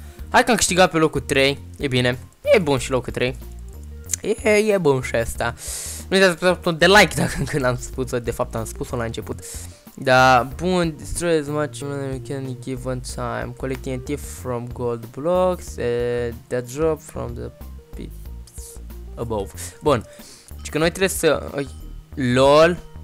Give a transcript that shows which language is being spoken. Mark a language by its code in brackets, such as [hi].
[ro] Hai că am câștigat pe locul 3, e bine, e bun și locul 3, e bun și asta. Nu uitați să apăsați de like dacă încă n-am spus-o, de fapt am spus-o la început. Da, bun, [en] destroy as much money we can in given time, collecting TNT from gold blocks, that drop from the pits above. [ro] Bun, deci că noi trebuie să, lol.